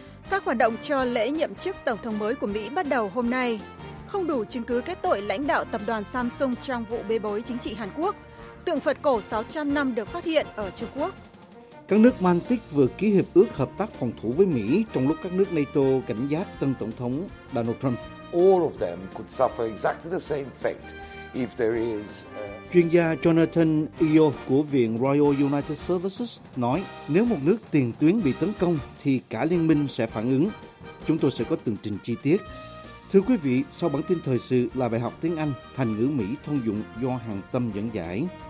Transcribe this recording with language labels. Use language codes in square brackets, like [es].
[vi] Các hoạt động cho lễ nhậm chức Tổng thống mới của Mỹ bắt đầu hôm nay. Không đủ chứng cứ kết tội lãnh đạo tập đoàn Samsung trong vụ bê bối chính trị Hàn Quốc. Tượng Phật cổ 600 năm được phát hiện ở Trung Quốc. Các nước Baltic vừa ký hiệp ước hợp tác phòng thủ với Mỹ, trong lúc các nước NATO cảnh giác tân Tổng thống Donald Trump. [en] All of them could suffer exactly the same fate if there is. [vi] Chuyên gia Jonathan Eo của Viện Royal United Services nói, nếu một nước tiền tuyến bị tấn công thì cả liên minh sẽ phản ứng. Chúng tôi sẽ có tường trình chi tiết. Thưa quý vị, sau bản tin thời sự là bài học tiếng Anh thành ngữ Mỹ thông dụng do Hàng Tâm dẫn giải.